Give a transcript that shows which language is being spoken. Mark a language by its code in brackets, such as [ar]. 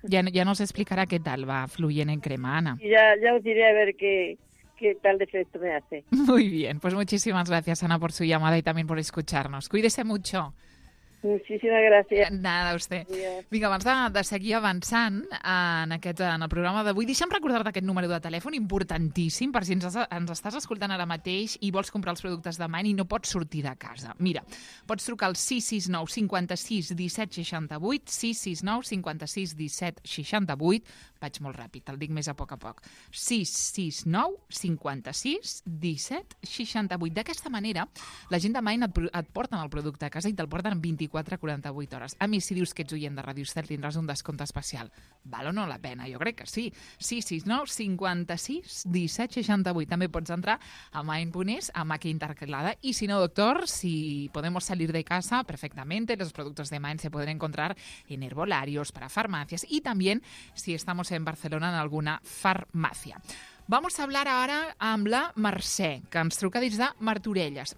[ca] Ja no s'explicarà què tal va Fluyen en crema, Anna. [es] Ya os diré a ver qué... ¿Qué tal de efecto me hace? Muy bien, pues muchísimas gracias, Ana, por su llamada y también por escucharnos. Cuídese mucho. Muchísimas gracias. Nada, a usted. Adiós. [ca] Vinga, abans de seguir avançant en el programa d'avui, deixa'm recordar-te aquest número de telèfon importantíssim per si ens estàs escoltant ara mateix i vols comprar els productes de Mind i no pots sortir de casa. Mira, pots trucar al 669-56-17-68, 669-56-17-68, vaig molt ràpid, te'l dic més a poc, 669-56-17-68. D'aquesta manera, la gent de Mind et porten el producte a casa i te'l porten 24-48 hores. A més, si dius que ets oient de Ràdio Estel, tindràs un descompte especial. Val o no la pena? Jo crec que sí. 669-56-17-68. També pots entrar a Mind.es, a Maqui Intercalada. I si no, [es] doctor, si podemos salir de casa perfectamente, los productos de Mind se pueden encontrar en herbolarios, para farmacias y también si estamos en Barcelona en alguna farmacia. Vamos a hablar ahora [ca] amb la Mercè, que ens truca des de Martorelles.